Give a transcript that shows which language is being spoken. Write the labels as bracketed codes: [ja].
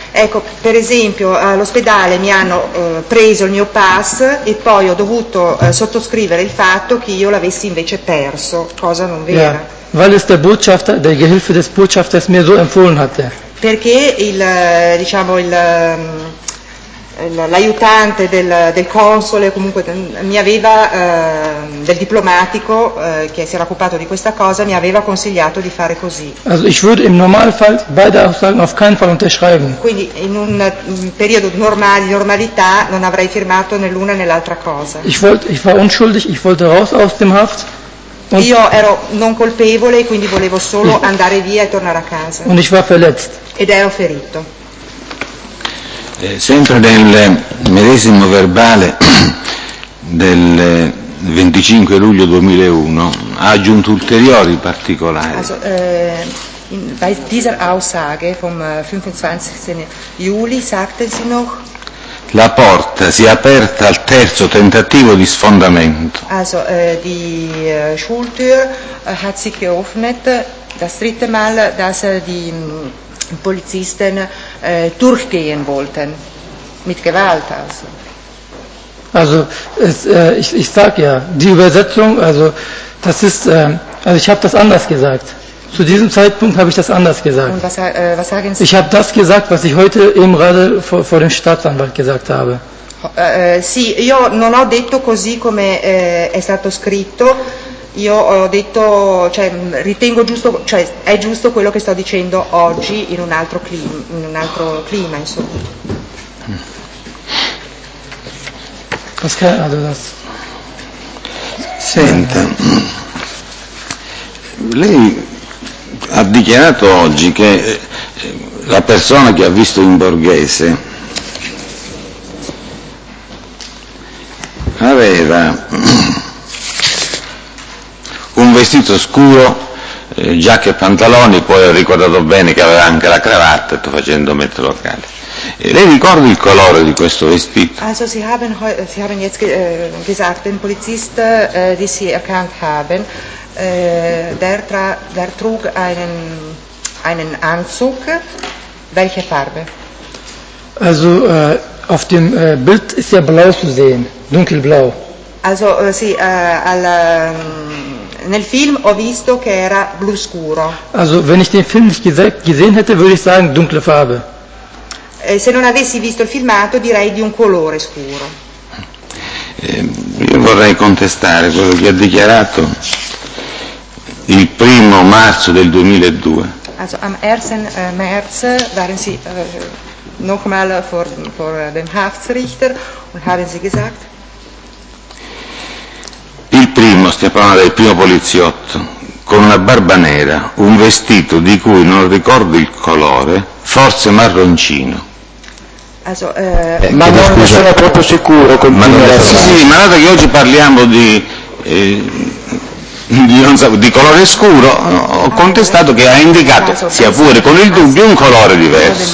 [it] Ecco, per esempio, all'ospedale mi hanno preso il mio Pass e poi ho dovuto sottoscrivere il fatto che io l'avessi invece perso, cosa non vera. [de] Ja, weil es der Gehilfe des Botschafters mir so empfohlen hatte. [it] Perché l'aiutante del console, comunque mi aveva del diplomatico che si era occupato di questa cosa, mi aveva consigliato di fare così. [de] Also ich würde im Normalfall beide Aussagen auf keinen Fall unterschreiben. [it] Quindi in un periodo normale, normalità, non avrei firmato né l'una né l'altra cosa. [de] Ich war unschuldig, ich wollte raus aus dem Haft. [it] Und io ero non colpevole, quindi volevo solo andare via e tornare a casa. [de] Und ich war verletzt. [it] Ed ero ferito. Sempre nel medesimo verbale del 25 luglio 2001 ha aggiunto ulteriori particolari. [de] Also, bei dieser Aussage vom 25. Juli sagte sie noch. [it] La porta si è aperta al terzo tentativo di sfondamento. [de] Also, die Schultür hat sich geöffnet das dritte Mal, dass die Polizisten durchgehen wollten. Mit Gewalt also. Also, ich sag ja, die Übersetzung, also, das ist, also ich habe das anders gesagt. Zu diesem Zeitpunkt habe ich das anders gesagt. Und was sagen Sie? Ich habe das gesagt, was ich heute eben gerade vor dem Staatsanwalt gesagt habe. [it] Sì, io non ho detto così come è stato scritto. Io ho detto, cioè ritengo giusto, cioè è giusto quello che sto dicendo oggi in un altro clima, insomma. [de] Pascal, also das. [it] Senta, lei ha dichiarato oggi che la persona che ha visto in borghese aveva un vestito scuro, giacca e pantaloni, poi ha ricordato bene che aveva anche la cravatta, sto facendo metro locale. Lei ricorda il colore di questo vestito? [de] Also sie haben jetzt gesagt den Polizist die sie erkannt haben der trug einen Anzug, welche Farbe? Also auf dem Bild ist ja blau zu sehen, dunkelblau. [it] Also, sì, nel film ho visto che era blu scuro. [de] Also, wenn ich den Film nicht gesehen hätte, würde ich sagen dunkle Farbe. [it] Se non avessi visto il filmato, direi di un colore scuro. Io vorrei contestare quello che ha dichiarato il primo marzo del 2002. [de] Also am 1. März waren Sie nochmal vor dem Haftrichter und haben Sie gesagt? [it] Il primo, stiamo parlando del primo poliziotto, con una barba nera, un vestito di cui non ricordo il colore, forse marroncino. [de] Also, [it] ma non scusa, sono proprio sicuro, ma dato che oggi parliamo di colore scuro, ho contestato che ha indicato, also, sia pure con il dubbio, un colore diverso.